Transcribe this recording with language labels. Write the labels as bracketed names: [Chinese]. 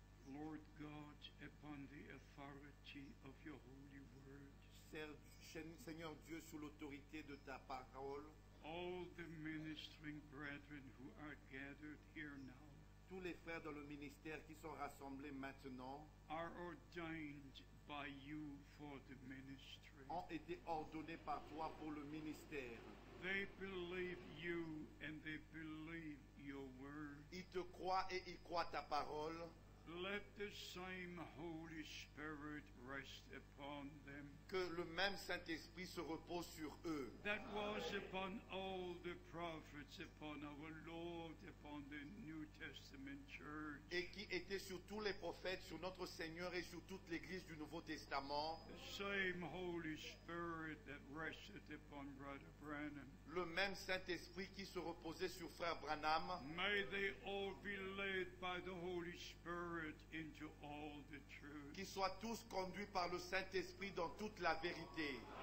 [English] Lord God, upon the authority of your holy word. [French] Seigneur Dieu, sous l'autorité de ta parole. [English] All the ministering brethren who are gathered here now, [French] tous les frères dans le ministère qui sont rassemblés maintenant, [English] are ordained by you for the ministry. [French] Ont été ordonnés par toi pour le ministère. [English] They believe you and they believe your word. [French] Ils te croient et ils croient ta parole. [English] Let the same Holy Spirit rest upon them. [French] Que le même Saint-Esprit se repose sur eux. [English] That was upon all the prophets, upon our Lord, upon the New Testament church. [French] Et qui était sur tous les prophètes, sur notre Seigneur et sur toute l'Église du Nouveau Testament. [English] The same Holy Spirit that rested upon Brother Branham. [French] Le même Saint-Esprit qui se reposait sur frère Branham. [English] May they all be led by the Holy Spirit. Into all the truth. [French] Qu'ils soient tous conduits par le Saint-Esprit dans toute la vérité.